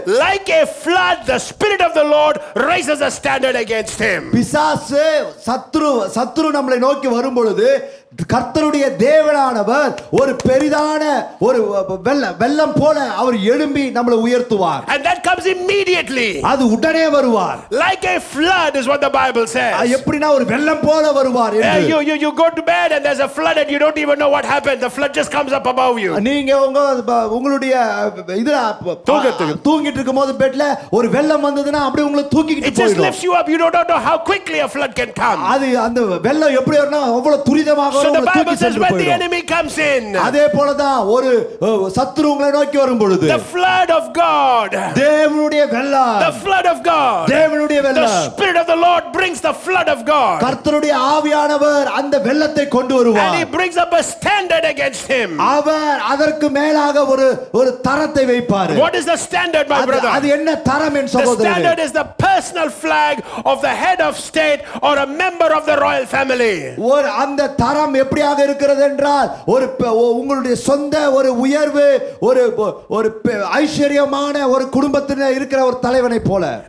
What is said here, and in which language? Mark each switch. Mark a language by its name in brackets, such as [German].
[English] like a flood the spirit of the lord raises a standard against him [Tamil] பிசாசு சத்துரு நம்மளை நோக்கி வரும்பொழுது கர்த்தருடைய தேவனானவர் ஒரு பெரிதான ஒரு வெள்ளம் போல அவர் எழும்பி நம்மளை உயர்த்துவார் [English] and that comes immediately [Tamil] அது உடனே வருவார் [English] like a flood is what the bible says [Tamil] எப்படினா ஒரு வெள்ளம் போல வருவார் என்று [English] you go to bed and there's a flood and you don't even know what happened the flood just comes up above you [Tamil] நீங்க உங்களுடைய இது தூங்கிட்டு இருக்கும்போது பெட்ல ஒரு வெள்ளம் வந்ததுன்னா அப்படியே உங்களை தூக்கிட்டு போயிடும் [English] it just lifts you up you don't know how quickly a flood can come [Tamil] அது அந்த வெள்ளம் எப்படி வரணும் அவ்வளவு துரிதமா [English] So the Bible says when the enemy comes in [Tamil] அதே போலதான் ஒரு சத்துரு உங்களை நோக்கி வரும் பொழுது [English] the flood of god [Tamil] தேவனுடைய வெள்ளம் [English] the flood of god [Tamil] தேவனுடைய வெள்ளம் [English] the spirit of the lord brings the flood of god [Tamil] கர்த்தருடைய ஆவியானவர் அந்த வெள்ளத்தை கொண்டு வருவார் [English] and he brings up a standard against him [Tamil] அவர் அதற்கு மேலாக ஒரு ஒரு தரத்தை வைப்பார் [English] what is the standard my brother [Tamil] அது என்ன தரம் என் சகோதரரே [English] the standard is the personal flag of the head of state or a member of the royal family [Tamil] ஒரு அந்த தரம் எப்படியாக இருக்கிறது என்றால் ஒரு உங்களுடைய சொந்த ஒரு உயர்வு ஒரு ஒரு ஐஸ்வர்யமான ஒரு குடும்பத்தில் இருக்கிற ஒரு தலைவனை போல